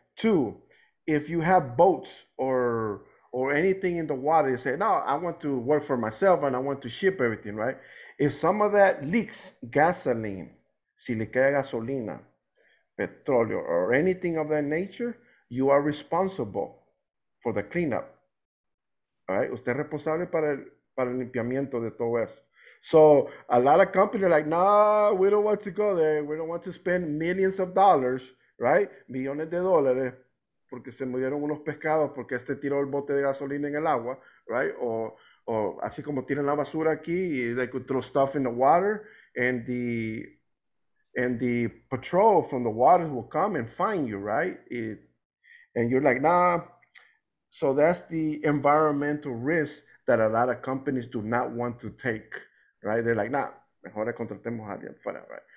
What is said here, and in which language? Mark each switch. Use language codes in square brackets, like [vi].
[en] Two, if you have boats or anything in the water, you say, no, I want to work for myself and I want to ship everything, right? If some of that leaks gasoline, [es] si le cae gasolina, petróleo, [en] or anything of that nature, you are responsible for the cleanup. Right? [es] Usted es responsable para el limpiamiento de todo eso. [en] So a lot of companies are like, nah, we don't want to go there. We don't want to spend millions of dollars, right? [es] Millones de dólares, porque se murieron unos pescados porque este tiró el bote de gasolina en el agua, right? O así como tiran la basura aquí, [en] they could throw stuff in the water, and the patrol from the water will come and find you, right? And you're like, nah. So that's the environmental risk that a lot of companies do not want to take, right? They're like, nah, [es] mejor contratemos a alguien fuera, right?